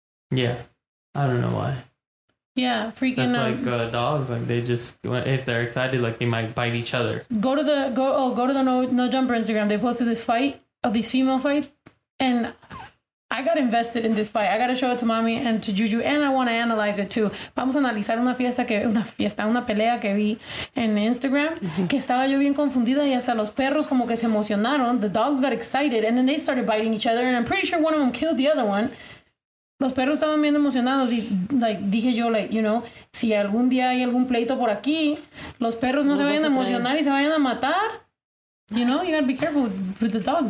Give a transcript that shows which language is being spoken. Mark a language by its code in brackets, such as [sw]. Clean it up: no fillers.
[en] Yeah. I don't know why. Yeah, freaking out. It's like dogs. Like, they just, if they're excited, like, they might bite each other. Go to the No Jumper Instagram. They posted this fight, of these female fights. And I got invested in this fight. I got to show it to mommy and to Juju. And I want to analyze it too. [es] Vamos a analizar una pelea que vi en Instagram. Mm-hmm. Que estaba yo bien confundida y hasta los perros como que se emocionaron. [en] The dogs got excited and then they started biting each other. And I'm pretty sure one of them killed the other one. [es] Los perros estaban bien emocionados y like, dije yo, like, you know, si algún día hay algún pleito por aquí, los perros no se vayan a emocionar y se vayan a matar. [en] You know, you gotta be careful with the dogs.